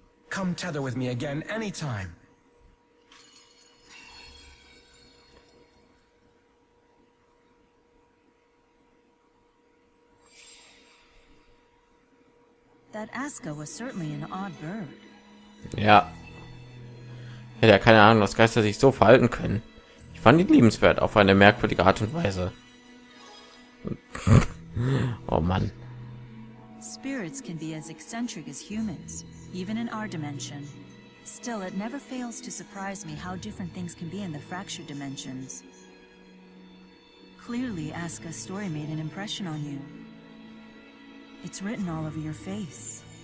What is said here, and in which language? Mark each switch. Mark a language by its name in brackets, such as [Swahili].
[English] Come tether with me again anytime. That Aska was certainly an odd bird. [German] Ja. Hätte ja keine Ahnung, dass Geister sich so verhalten können. Ich fand ihn liebenswert, auf eine merkwürdige Art und Weise. Oh Mann. [English] Spirits can be as eccentric as humans, even in our dimension. Still, it never fails to surprise me how different things can be in the fractured dimensions. Clearly, Aska's story made an impression on you. It's written all over your face.